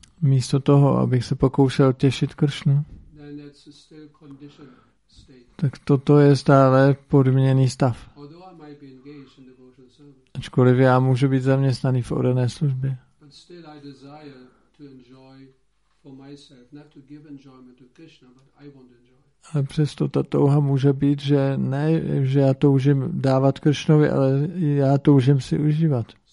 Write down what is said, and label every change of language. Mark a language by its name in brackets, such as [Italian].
[Czech] místo toho, abych se pokoušel těšit Kršnu, [English] then that's a still conditioned state. [Czech] Tak toto je stále podmíněný stav. [English] Although I might be engaged in devotional service, [Czech] ačkoliv já můžu být zaměstnaný v oddané službě, [English] but still I desire to enjoy for myself, not to give enjoyment to Krishna, but I want to enjoy. [Czech] Ale přesto ta touha může být, že ne, že já toužím dávat Kršnovi, ale já toužím si užívat.